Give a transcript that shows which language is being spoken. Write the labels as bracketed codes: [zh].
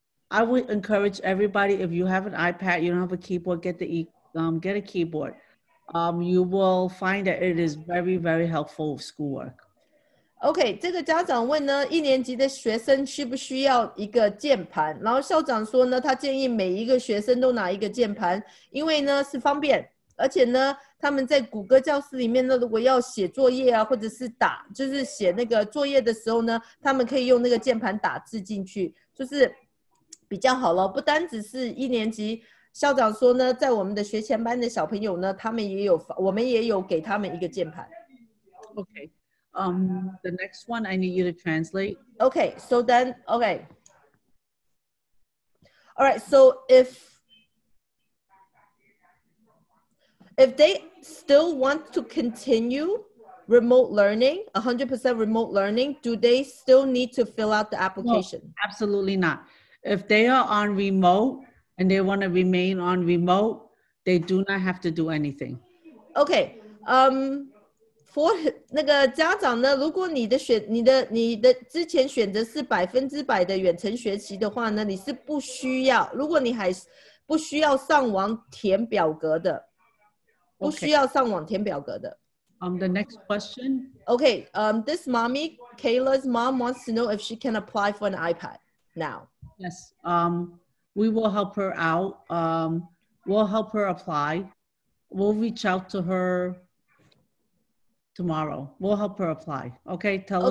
[en] I would encourage everybody, if you have an iPad, you don't have a keyboard, get a keyboard. You will find that it is very, very helpful with schoolwork. [zh] Okay, 这个家长问呢，一年级的学生需不需要一个键盘？然后校长说呢，他建议每一个学生都拿一个键盘，因为呢是方便，而且呢，他们在谷歌教室里面呢，如果要写作业啊，或者是打，就是写那个作业的时候呢，他们可以用那个键盘打字进去，就是比较好了。不单只是一年级，校长说呢，在我们的学前班的小朋友呢，他们也有，我们也有给他们一个键盘。 [en] Okay, the next one I need you to translate. Okay, so then, okay. All right, so if they still want to continue remote learning, 100% remote learning, do they still need to fill out the application? No, absolutely not. If they are on remote and they want to remain on remote, they do not have to do anything. Okay. [zh] For 那个家长呢，如果你的选你的之前选择是100%的远程学习的话呢，你是不需要，如果你还不需要上网填表格的。 [en] Okay. [zh] 不需要上网填表格的。 [en] The next question. Okay. This mommy, Kayla's mom, wants to know if she can apply for an iPad now. Yes. We will help her out. We'll help her apply. We'll reach out to her tomorrow. We'll help her apply. Okay. Tell her.